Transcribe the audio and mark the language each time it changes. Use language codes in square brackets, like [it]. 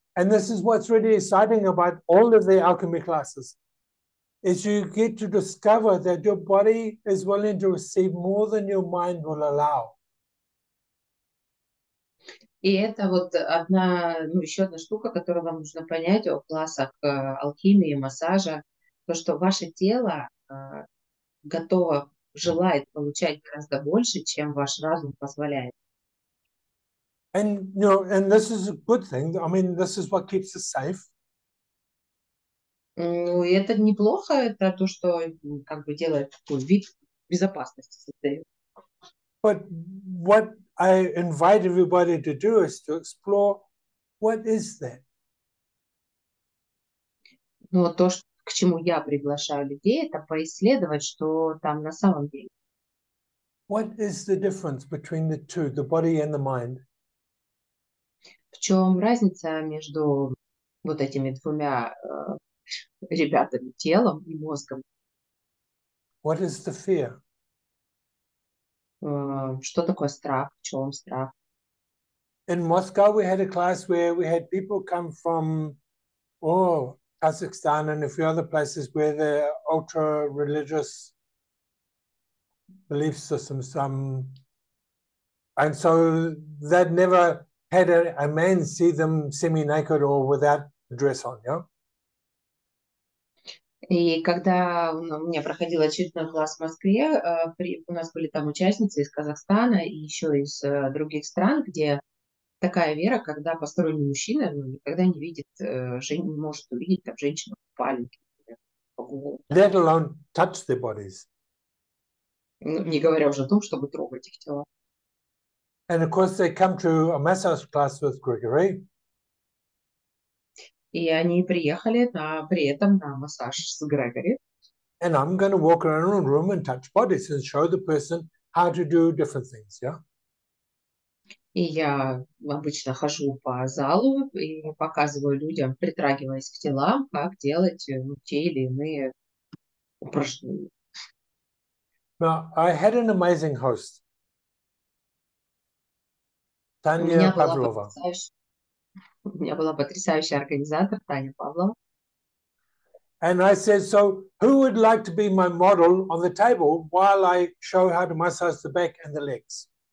[en] And this is what's really exciting about all of the alchemy classes, is you get to discover that your body is willing to receive more than your mind will allow. [ru] И это вот одна, ну, еще одна штука, которую вам нужно понять о классах алхимии, массажа, то, что ваше тело готово, желает получать гораздо больше, чем ваш разум позволяет. [en] And you know, and this is a good thing. I mean, this is what keeps us safe. [ru] Ну, и это неплохо, это то, что как бы делает такой вид безопасности создает. [en] But what I invite everybody to do is to explore what is that. [ru] Ну, то, что, к чему я приглашаю людей, это поисследовать, что там на самом деле. [en] What is the difference between the two, the body and the mind? [ru] В чем разница между вот этими двумя ребятами, телом и мозгом? [en] What is the fear? [ru] Что такое страх? В чем страх? [en] In Moscow we had a class where we had people come from Kazakhstan and a few other places where the ultra religious belief systems and so that never had a man see them semi-naked or without a dress on, yeah? [ru] И когда у меня проходил очередной класс в Москве, у нас были там участницы из Казахстана и еще из других стран, где такая вера, когда посторонний мужчина никогда не видит, не может увидеть там женщину в купальнике. [en] Let alone touch their bodies. [ru] Ну, не говоря уже о том, чтобы трогать их тела. [en] And of course they come to a massage class with Gregory. [ru] И они приехали на, при этом на массаж с Грегори. [en] And I'm going to walk around the room and touch bodies and show the person how to do different things, yeah? [ru] И я обычно хожу по залу и показываю людям, притрагиваясь к телам, как делать те или иные упражнения. [en] Now, I had an amazing host. Tanya Pavlova. [ru] У меня была потрясающая организатор Таня Павлова. [en] And I said, so who would like to be my model on the table while I show how to massage the back and the legs?